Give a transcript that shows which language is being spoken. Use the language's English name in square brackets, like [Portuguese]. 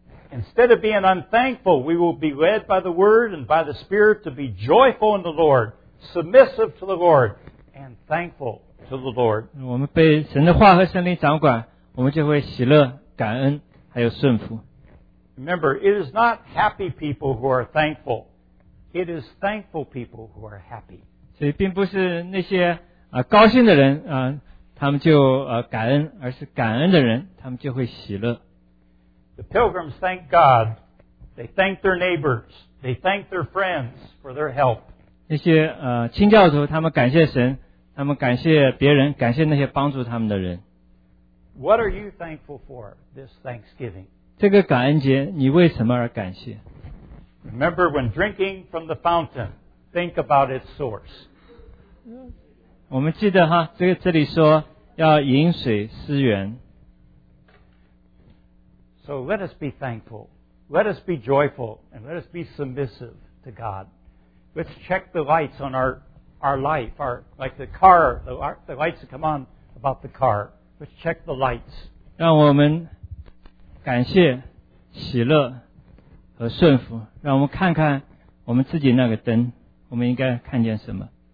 [English] Instead of being unthankful, we will be led by the Word and by the Spirit to be joyful in the Lord, submissive to the Lord, and thankful to the Lord. [Chinese] 我们被神的话和圣灵掌管，我们就会喜乐、感恩，还有顺服。 [English] Remember, it is not happy people who are thankful. It is thankful people who are happy. [Chinese] 所以并不是那些高兴的人，他们就感恩，而是感恩的人，他们就会喜乐。 [English] The pilgrims thank God. They thank their neighbors. They thank their friends for their help. [Chinese] 那些清教徒，他们感谢神，他们感谢别人，感谢那些帮助他们的人。 [English] What are you thankful for this Thanksgiving? [Chinese] 这个感恩节你为什么而感谢？ [English] Remember when drinking from the fountain, think about its source. [Chinese] 我们记得哈，这个这里说要饮水思源。 [English] So let us be thankful, let us be joyful, and let us be submissive to God. Let's check the lights on our life, our, like the car, the lights that come on about the car. Let's check the lights. [Chinese] 让我们感谢、喜乐和顺服，让我们看看我们自己那个灯，我们应该看见什么。